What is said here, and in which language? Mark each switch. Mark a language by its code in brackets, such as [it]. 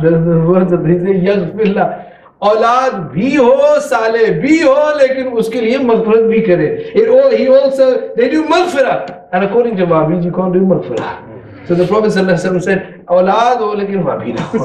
[en] The words of this is yaghfir lah. [ur] اولاد بھی ہو، صالح بھی ہو، لیکن اسکے لیے مغفرت بھی کرے۔ [en] They do maghfirah. And according to Mahabij, you can't do maghfirah. So the Prophet said, [ur] اولاد ہو، لیکن مغفرت بھی نہ ہو۔